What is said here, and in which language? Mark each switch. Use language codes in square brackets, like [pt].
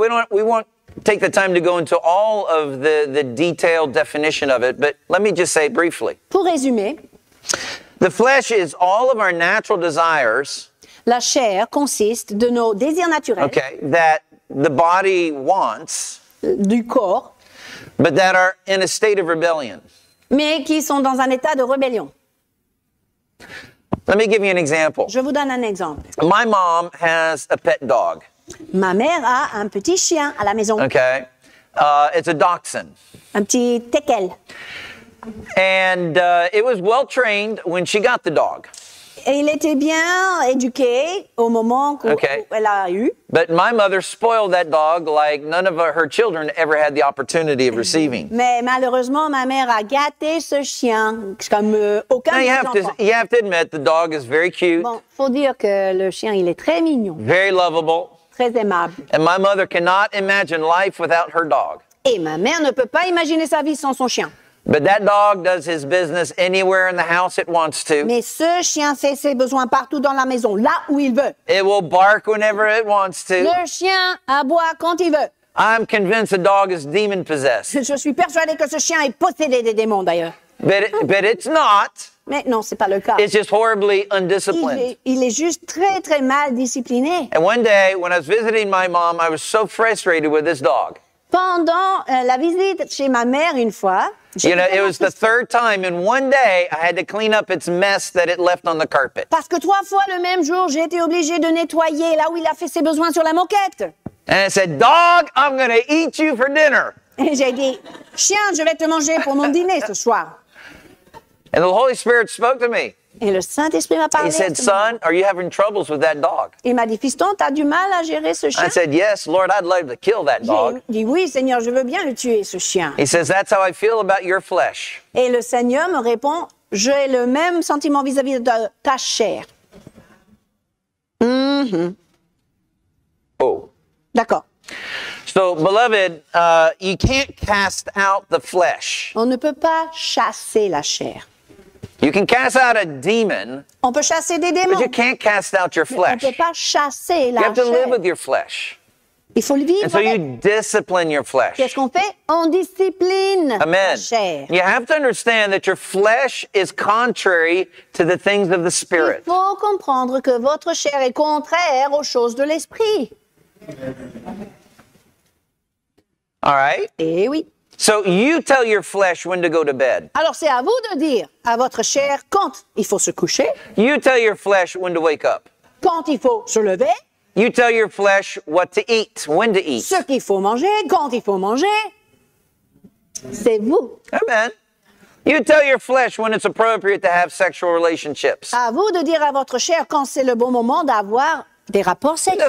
[en] We won't take the time to go into all of the detailed definition of it, but let me just say briefly. [fr] Pour résumer, [en] the flesh is all of our natural desires. [fr] La chair consiste de nos désirs naturels. [en] Okay, that the body wants. [fr] Du corps. [en] But that are in a state of rebellion. [fr] Mais qui sont dans un état de rébellion. [en] Let me give you an example. [fr] Je vous donne un exemple. [en] My mom has a pet dog. [fr] Ma mère a un petit chien à la maison. [en] Okay. It's a dachshund. [fr] Un petit teckel. [en] And it was well trained when she got the dog. [fr] Et il était bien éduqué au moment où elle a eu. [en] But my mother spoiled that dog like none of her children ever had the opportunity of receiving. [fr] Mais malheureusement, ma mère a gâté ce chien comme aucun autre enfant. [en] You have to admit, the dog is very cute. [fr] Bon, faut dire que le chien, il est très mignon. [en] Very lovable. [fr] Très aimable. [en] And my mother cannot imagine life without her dog. [fr] Et ma mère ne peut pas imaginer sa vie sans son chien. [en] But that dog does his business anywhere in the house it wants to. [fr] Mais ce chien fait ses besoins partout dans la maison, là où il veut. [en] It will bark whenever it wants to. [fr] Le chien aboie quand il veut. [en] I'm convinced the dog is demon possessed. [fr] Je suis persuadé que ce chien est possédé des démons d'ailleurs. [en] But it's not. [fr] Mais non, c'est pas le cas. [en] It's just horribly undisciplined. [fr] Il est juste très très mal discipliné. [en] And one day when I was visiting my mom, I was so frustrated with this dog. [fr] Pendant la visite chez ma mère une fois, [en] you know, it was the third time in one day I had to clean up its mess that it left on the carpet. [fr] Parce que trois fois le même jour, j'ai été obligée de nettoyer là où il a fait ses besoins sur la moquette. [en] And I said, "Dog, I'm going to eat you for dinner." [fr] Et j'ai dit, chien, je vais te manger pour mon dîner ce soir. [en] And the Holy Spirit spoke to me. [fr] Et le Saint-Esprit m'a parlé. [en] He said, "Son, are you having troubles with that dog?" [fr] Il m'a dit, fiston, t'as du mal à gérer ce chien? [en] I said, "Yes, Lord, I'd love to kill that dog." [fr] J'ai dit, oui, Seigneur, je veux bien le tuer, ce chien. [en] He says, "That's how I feel about your flesh." [fr] Et le Seigneur me répond, j'ai le même sentiment vis-à-vis de ta chair. Mm-hmm. Oh. D'accord. [en] So, beloved, you can't cast out the flesh. [fr] On ne peut pas chasser la chair. [en] You can cast out a demon. [fr] On peut chasser des démons. [en] But you can't cast out your flesh. [fr] On peut pas chasser la chair. [en] You have to live with your flesh. [fr] Il faut le vivre. [en] And so you discipline your flesh. [fr] Qu'est-ce qu'on fait? On discipline la chair. [en] You have to understand that your flesh is contrary to the things of the spirit. [fr] Il faut comprendre que votre chair est contraire aux choses de l'esprit. [en] All right. [fr] Eh oui. [en] So you tell your flesh when to go to bed. [fr] Alors c'est à vous de dire à votre chair quand il faut se coucher. [en] You tell your flesh when to wake up. [fr] Quand il faut se lever. [en] You tell your flesh what to eat, when to eat. [fr] Ce qu'il faut manger, quand il faut manger. C'est vous. Amen. [en] You tell your flesh when it's appropriate to have sexual relationships. [fr] À vous de dire à votre chair quand c'est le bon moment d'avoir des rapports sexuels.